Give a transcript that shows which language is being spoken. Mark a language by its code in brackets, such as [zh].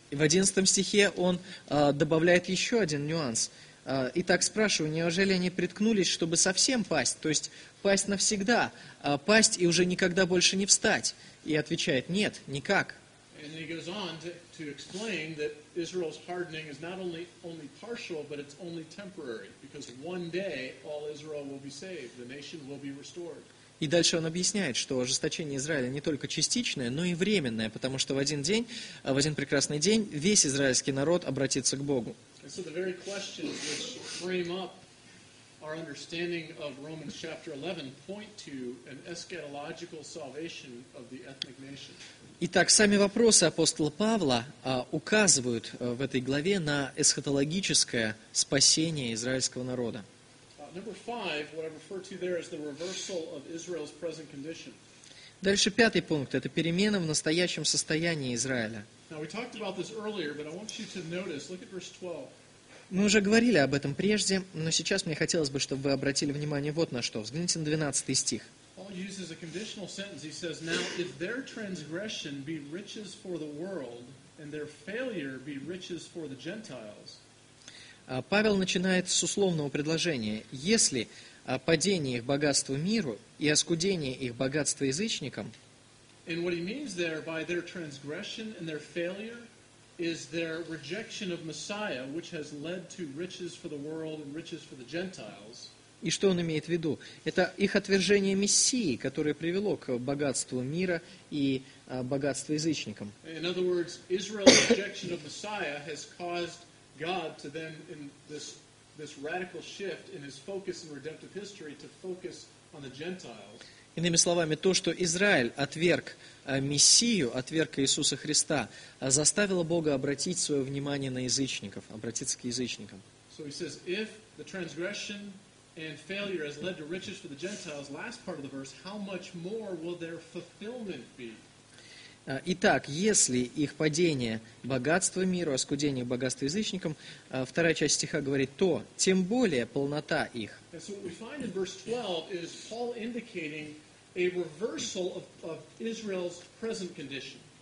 [ru] И в 11 стихе он добавляет еще один нюанс. Итак, спрашиваю, неужели они приткнулись, чтобы совсем пасть? То есть, пасть навсегда, пасть и уже никогда больше не встать. И отвечает, нет, никак. [en] And then he goes on to explain that Israel's hardening is not only partial, but it's only temporary, because one day all Israel will be saved, the nation will be restored. [ru] И дальше он объясняет, что ожесточение Израиля не только частичное, но и временное, потому что в один прекрасный день весь израильский народ обратится к Богу. [en] And so the very questions which frame up our understanding of Romans chapter 11 point to an eschatological salvation of the ethnic nation. [ru] Итак, сами вопросы апостола Павла указывают в этой главе на эсхатологическое спасение израильского народа. [en] Number five, what I refer to there is the reversal of Israel's present condition. [ru] Дальше пятый пункт – это перемена в настоящем состоянии Израиля. [en] Now, we talked about this earlier, but I want you to notice, look at verse 12. [ru] Мы уже говорили об этом прежде, но сейчас мне хотелось бы, чтобы вы обратили внимание вот на что. Взгляните на 12 стих. [en] Paul uses a conditional sentence. He says, now, if their transgression be riches for the world, and their failure be riches for the Gentiles. [ru] Павел начинает с условного предложения. Если падение их богатства миру и оскудение их богатства язычникам, [en] and what he means there by their transgression and their failure is their rejection of Messiah, which has led to riches for the world and riches for the Gentiles. [ru] И что он имеет в виду? Это их отвержение Мессии, которое привело к богатству мира и богатству язычникам. [en] In other words, Israel's rejection of Messiah has caused God to then in this radical shift in his focus in redemptive history to focus on the Gentiles. [ru] Иными словами, то, что Израиль отверг Мессию, отверг Иисуса Христа, заставило Бога обратить свое внимание на язычников, обратиться к язычникам. [en] So he says, if the transgression and failure has led to riches for the Gentiles, last part of the verse, how much more will their fulfillment be? [ru] Итак, если их падение богатства миру, оскудение богатства язычникам, вторая часть стиха говорит, то тем более полнота их. [en] And so what we find in verse 12 is Paul indicating a reversal of Israel's present condition.